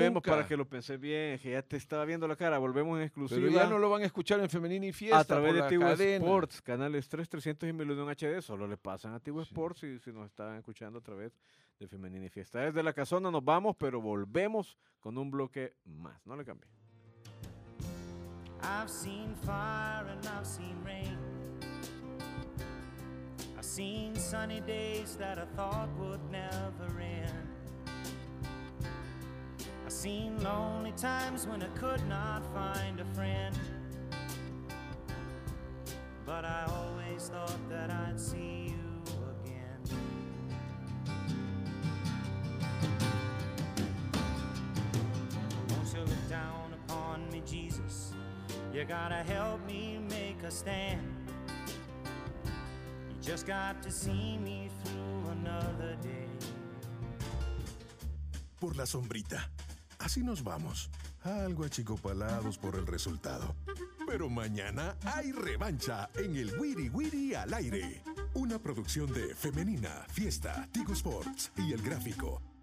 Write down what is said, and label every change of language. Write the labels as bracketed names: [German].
[Spanish] Volvemos para que lo pensé bien, que ya te estaba viendo la cara. Volvemos en exclusiva. Pero ya no lo van a escuchar en Femenina y Fiesta. A través de Tigo Sports, canales 3, 300 y 1001 en HD. Solo le pasan a Tigo Sports si nos están escuchando a través de Femenina y Fiesta. Desde la casona nos vamos, pero volvemos con un bloque más. No le cambie. [English] I've seen fire and I've seen rain. I've seen sunny days that I thought would never end. I've seen lonely times when I could not find a friend. But I always thought that I'd see you. Look down upon me, Jesus. You gotta help me make a stand. You just got to see me through another day. [Spanish] Por la sombrita, así nos vamos. Algo achicopalados por el resultado. Pero mañana hay revancha en el Wiri Wiri al aire. Una producción de Femenina, Fiesta, Tigo Sports y El Gráfico.